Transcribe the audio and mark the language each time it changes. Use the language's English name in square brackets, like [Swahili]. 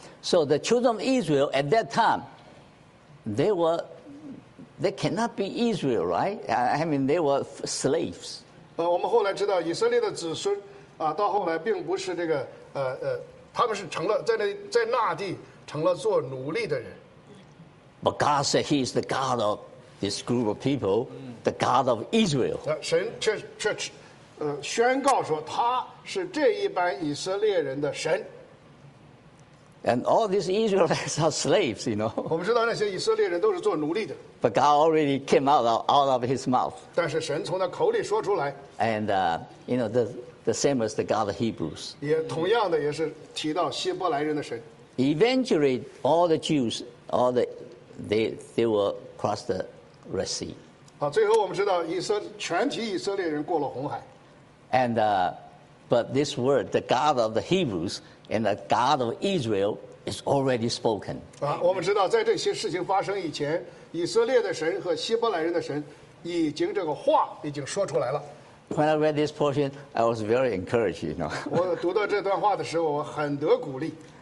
[English] So the children of Israel at that time, they cannot be Israel, right? I mean, they were slaves. [Chinese] 我们后来知道以色列的子孙。到后来并不是这个他们是成了在那地成了做奴隶的人。 [English] But God said He is the God of this group of people, the God of Israel. [Chinese] 神却宣告说他是这一班以色列人的神。 [English] And all these Israelites are slaves, you know. [Chinese] 我们知道那些以色列人都是做奴隶的。 [English] But God already came out of His mouth. [Chinese] 但是神从他口里说出来。 [English] And you know the same as the God of Hebrews. [Chinese] 也同样的也是提到希伯来人的神。 [English] Eventually, all the Jews, they will cross the Red Sea. [Chinese] 最后我们知道全体以色列人过了红海。 [English] And but this word, the God of the Hebrews and the God of Israel, is already spoken. [Chinese] 我们知道在这些事情发生以前，以色列的神和希伯来人的神已经这个话已经说出来了。 [English] When I read this portion, I was very encouraged, you know. [Chinese] 我读到这段话的时候，我很得鼓励。